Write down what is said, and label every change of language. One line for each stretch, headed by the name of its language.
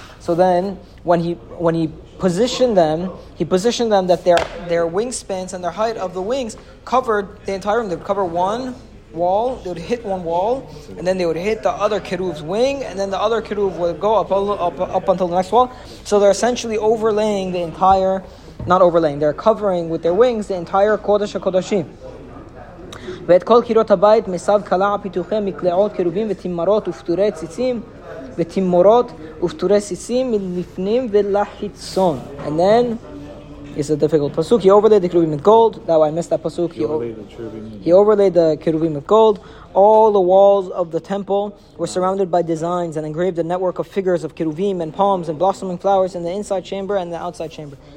English: So then, when he positioned them, that their wingspans and their height of the wings covered the entire room. They would cover one wall, they would hit one wall, and then they would hit the other keruv's wing, and then the other keruv would go up until the next wall. So they're essentially overlaying the entire, not overlaying, they're covering with their wings the entire Kodesh HaKodeshim.
Hebrew: ואת כל קירות הבית מסב קלע פיתוחי מקלעות קירובים ותימרות ופטורי ציצים ותימורות ופטורי ציצים מלפנים ולחיצון.
English: And then, it's a difficult pasuk. He overlaid the kirubim with gold. That way I missed that pasuk. He overlaid the kirubim with gold. All the walls of the temple were surrounded by designs and engraved a network of figures of kirubim and palms and blossoming flowers in the inside chamber and the outside chamber.